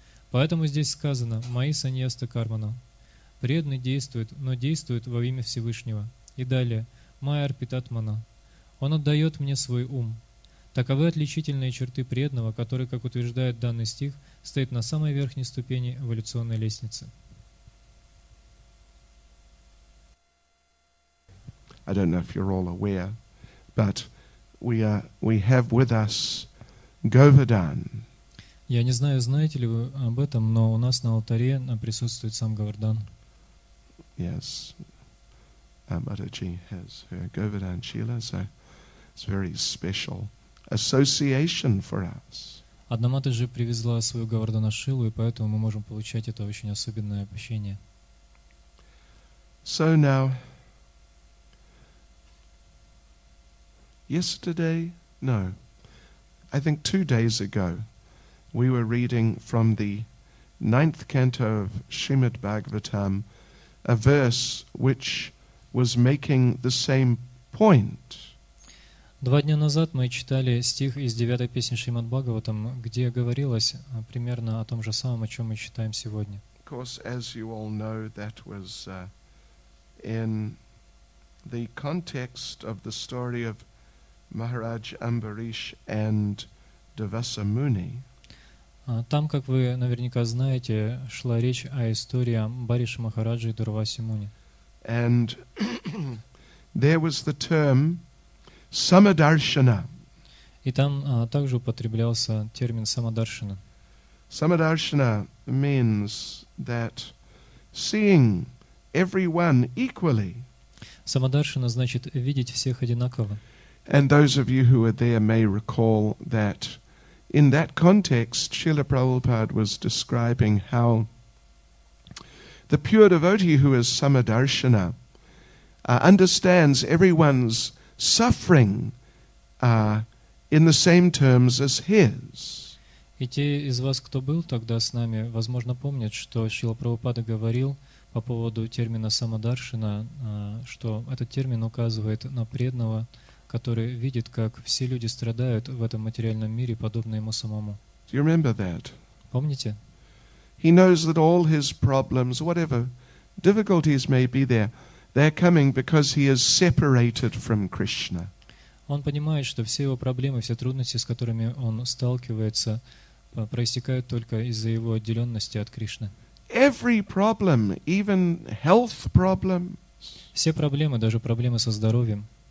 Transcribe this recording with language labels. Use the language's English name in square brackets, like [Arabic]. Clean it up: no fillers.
[Russian] Поэтому здесь сказано «Мои саньяста кармана». Преданный действует, но действует во имя Всевышнего. И далее «Май арпитатмана». Он отдает мне свой ум. Таковы отличительные черты преданного, который, как утверждает данный стих, стоит на самой верхней ступени эволюционной лестницы. [English] I don't know if you're all aware, but we have with us Govardhan. [Russian] Я не знаю, знаете ли вы об этом, но у нас на алтаре присутствует сам Говардан. [English] Yes, Mataji has her Govardhan Shila, so it's very special association for us. [Russian] Одна Матаджи привезла свою Говардана Шилу, и поэтому мы можем получать это очень особенное общение. [English] So now, yesterday, no, I think 2 days ago, we were reading from the ninth canto of Srimad Bhagavatam a verse which was making the same point. [Russian] 2 дня назад мы читали стих из 9-й песни Шримад Бхагаватам, где говорилось примерно о том же самом, о чем мы читаем сегодня. [English] Of course, as you all know, that was in the context of the story of Maharaj Ambarish and Devasa Muni. [Russian] Там, как вы наверняка знаете, шла речь о истории Амбариша Махараджи и Дурваси Муни. [English] And there was the term samadarshana. [Russian] И там также употреблялся термин самадаршана. [English] Самадаршана means that seeing everyone equally. [Russian] Самадаршана значит видеть всех одинаково. [English] And those of you who were there may recall that in that context, Srila Prabhupada was describing how the pure devotee who is Samadarshana understands everyone's suffering in the same terms as his. [Russian] И те из вас, кто был тогда с нами, возможно, помнят, что Шрила Прабхупада говорил по поводу термина Самадаршина, что этот термин указывает на преданного, который видит, как все люди страдают в этом материальном мире, подобно ему самому. [English] Do you remember that? [Russian] Помните? [English] He knows that all his problems, whatever difficulties may be there, they're coming because he is separated from Krishna. [Russian] Он понимает, что все его проблемы, все трудности, с которыми он сталкивается, проистекают только из-за его отделенности от Кришны. [English] Every problem, even health problems, [Russian] все проблемы, даже проблемы со здоровьем,